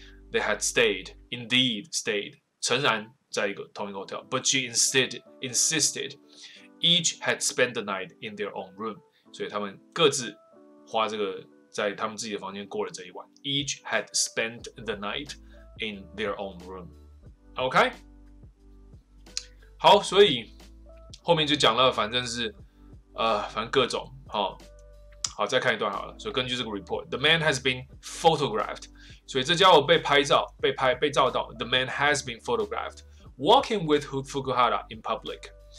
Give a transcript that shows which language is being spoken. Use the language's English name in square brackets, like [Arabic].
[English] They had stayed， indeed stayed， [Chinese] 诚然在一个同一个 [English] hotel， but she insisted each had spent the night in their own room， [Chinese] 所以他们各自花这个在他们自己的房间过了这一晚。 [English] Each had spent the night in their own room。 [Chinese] OK， 好，所以后面就讲了，反正是反正各种哈、哦。好，再看一段好了。所以根据这个 report， [English] the man has been photographed。 [Chinese] 所以这家伙被拍照，被照到。 [English] The man has been photographed walking with Fukuhara in public。